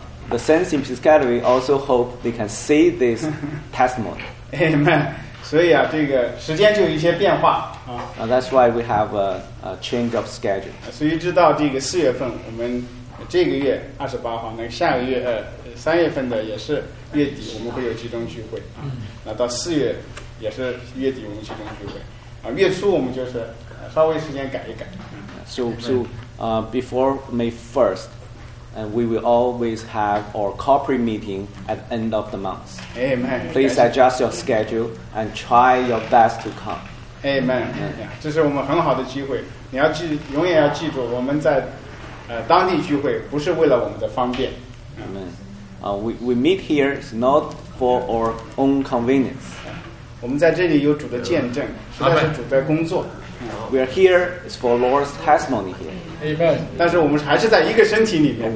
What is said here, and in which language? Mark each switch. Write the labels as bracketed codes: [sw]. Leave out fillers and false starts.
[en] The saints in Piscataway also hope they can see this testimony. Amen. [zh] 所以啊，这个时间就有一些变化啊。 [en] That's why we have a change of schedule. [zh] 所以直到这个四月份，我们这个月二十八号，那个下个月三月份的也是月底，我们会有集中聚会啊。那到四月也是月底，我们集中聚会啊。月初我们就是稍微时间改一改。 [en] So before May 1st. And we will always have our corporate meeting at the end of the month. Amen. Please adjust your schedule and try your best to come. [zh] Amen. 这是我们很好的机会。你要记，永远要记住，我们在当地聚会不是为了我们的方便。 [en] Amen. We meet here is not for our own convenience. [zh] 我们在这里有主的见证，实在是主在工作。 [en] We are here is for Lord's testimony here. Amen. [zh] 但是我们还是在一个身体里面。